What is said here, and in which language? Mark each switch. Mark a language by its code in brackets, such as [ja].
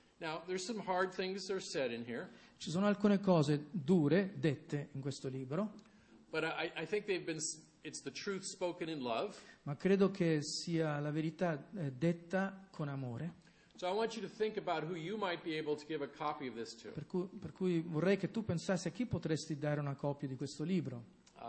[en] Now, there's some hard things that are said in here. [it] Ci sono alcune cose dure dette in questo libro. [en] But I think they've been, it's the truth spoken in love. [it] Ma credo che sia la verità detta con amore. [en] So I want you to think about who you might be able to give a copy of this to. [it] Per cui vorrei che tu pensassi a chi potresti dare una copia di questo libro.